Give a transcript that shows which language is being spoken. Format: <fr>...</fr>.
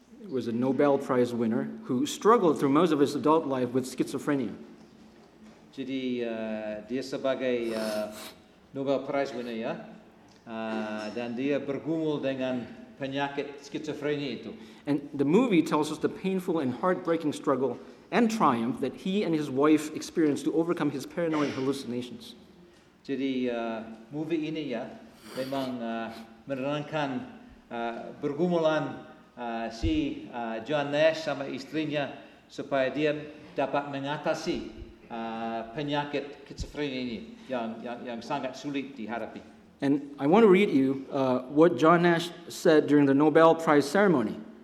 <en>was a Nobel Prize winner who struggled through most of his adult life with schizophrenia.</en> <id>Jadi dia sebagai</id> <en>Nobel Prize winner</en> <id>ya, dan dia bergumul dengan penyakit skizofrenia itu.</id> <en>And the movie tells us the painful and heartbreaking struggle and triumph that he and his wife experienced to overcome his paranoid hallucinations.</en> <id>Jadi movie ini ya memang menerangkan pergumulan si John Nash sama istrinya supaya dia dapat mengatasi penyakit skizofrenia ini yang sangat sulit dihadapi.</id> <en>And I want to read you what John Nash said during the Nobel Prize ceremony.</en>